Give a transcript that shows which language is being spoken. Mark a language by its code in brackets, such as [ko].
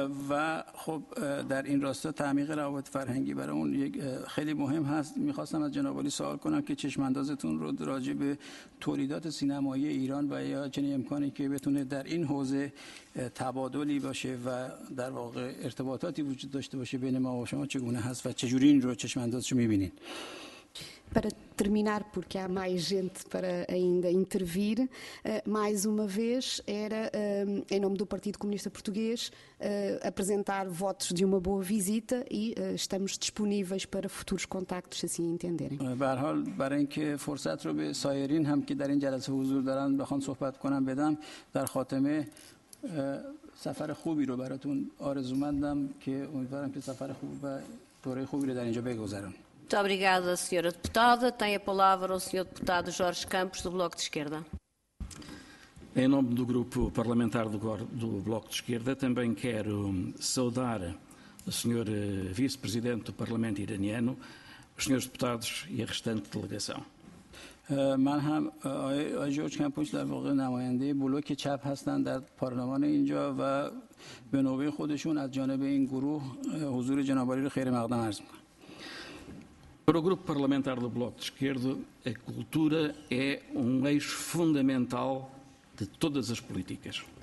[fa] و خب در این راستا تعمیق روابط فرهنگی برای اون یک خیلی مهم هست میخواستم از جناب عالی سوال کنم که چشماندازتون رو راجع به تولیدات سینمایی ایران و یا چنین امکانی که بتونه در این حوزه تبادلی باشه و در واقع ارتباطاتی وجود داشته باشه بین ما و شما چگونه هست و چجوری این رو چشماندازش رو میبینین؟ [pt] Para terminar, porque há mais gente para ainda intervir, mais uma vez era, em nome do Partido Comunista Português, apresentar votos de uma boa visita e estamos disponíveis para futuros contactos, se assim entenderem. [fa] برحال, برای این که فرصت رو به سایرین هم که در این جلسه حضور دارن بخوان صحبت کنم بدم, در خاتمه سفر خوبی رو براتون آرزومندم که امیدوارم که سفر خوب و دوره خوبی رو در اینجا بگذرم. [pt] Muito obrigada, Sra. Deputada. Tem a palavra o Sr. Deputado Jorge Campos, do Bloco de Esquerda. Em nome do Grupo Parlamentar do Bloco de Esquerda, também quero saudar o Sr. Vice-Presidente do Parlamento iraniano, os Srs. Deputados e a restante delegação. [fa] من هم آقای جورج کمپوش در واقع نماینده بلوک چپ هستند در پارلمان اینجا و به نوبه خودشون از جانب این گروه حضور جناب‌عالی رو خیر مقدم عرض می‌کنم. [pt] Para o Grupo Parlamentar do Bloco de Esquerda, a cultura é um eixo fundamental de todas as políticas.